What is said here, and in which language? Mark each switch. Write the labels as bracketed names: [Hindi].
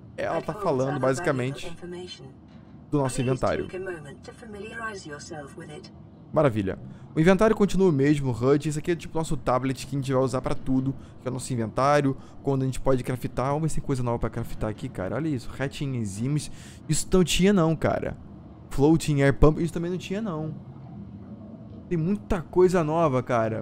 [Portuguese] Ela tá falando basicamente do nosso inventário. [English] Take a moment to familiarize yourself with it. [Portuguese] Maravilha. O inventário continua o mesmo, HUD. Esse aqui é tipo nosso tablet que a gente vai usar pra tudo. Que é o nosso inventário. Quando a gente pode craftar. Vamos ver se tem coisa nova pra craftar aqui, cara. Olha isso. Hatching enzimes. Isso não tinha não, cara. Floating air pump. Isso também não tinha não. Tem muita coisa nova, cara.